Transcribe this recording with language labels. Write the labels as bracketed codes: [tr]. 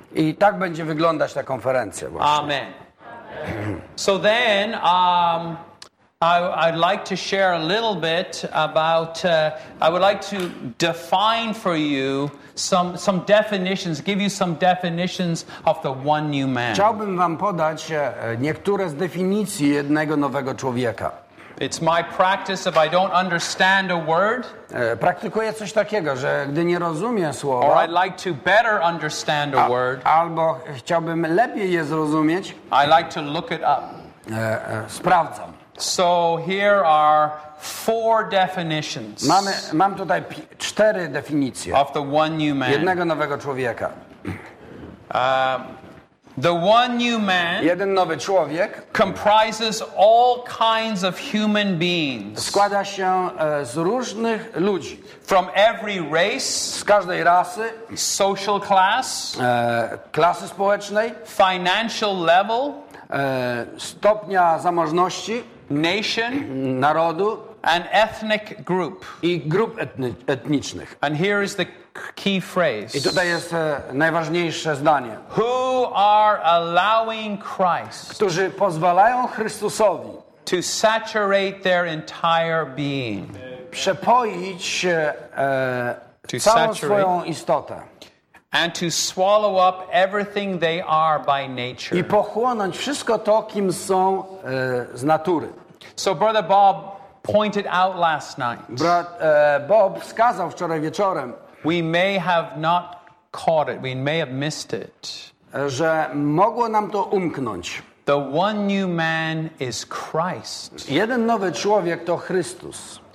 [pl] I tak będzie wyglądać ta konferencja właśnie. Amen. [en] So then I'd like to share a little bit about I would like to define for you some definitions, give you some definitions of the one new man. [pl] Chciałbym wam podać niektóre z definicji jednego nowego człowieka. [en] It's my practice if I don't understand a word. [pl] Praktykuję coś takiego, że gdy nie rozumiem słowa. [en] Or I'd like to better understand a word. [pl] Albo chciałbym lepiej je zrozumieć. [en] I like to look it up. [pl] Sprawdzam. [en] So here are four definitions. [pl] Mam tutaj cztery definicje. [en] Of the one new man. [pl] Jednego nowego człowieka. [en] The one new man, [pl] jeden nowy człowiek, [en] comprises all kinds of human beings. [pl] Składa się z różnych ludzi. [en] From every race, [pl] z każdej rasy, [en] social class, [pl] klasy społecznej, [en] financial level, [pl] stopnia zamożności, [en] nation, [pl] narodu, [en] and ethnic group, [pl] i grup etnicznych. [en] And here is the key phrase. [pl] I tutaj jest najważniejsze zdanie. [en] Who are allowing Christ? [pl] Którzy pozwalają Chrystusowi [en] to saturate their entire being. [pl] Przepoić całą swoją istotę. [en] And to swallow up everything they are by nature. [pl] I pochłonąć wszystko to, kim są z natury. [en] So Brother Bob pointed out last night. [pl] Bob wskazał wczoraj wieczorem. [en] We may have not caught it. We may have missed it. [pl] Że mogło nam to umknąć. [en] The one new man is Christ. [pl] Jeden nowy człowiek to Chrystus.